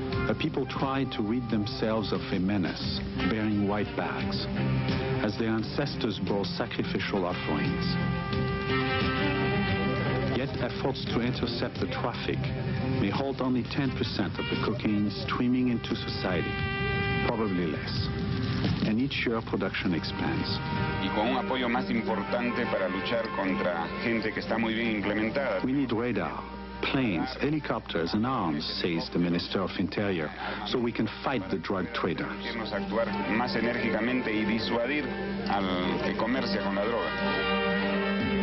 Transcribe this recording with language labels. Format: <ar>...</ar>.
<en>A people tried to rid themselves of a menace, bearing white bags, as their ancestors brought sacrificial offerings. Yet efforts to intercept the traffic may hold only 10% of the cocaine streaming into society, probably less. And each year production expands.</en> <es>Y con un apoyo más importante para luchar contra gente que está muy bien implementada.</es> <en>We need radar, planes, helicopters, and arms, says the Minister of Interior, so we can fight the drug traders.</en> <es>Actuar más enérgicamente y disuadir al que comercia con la droga.</es>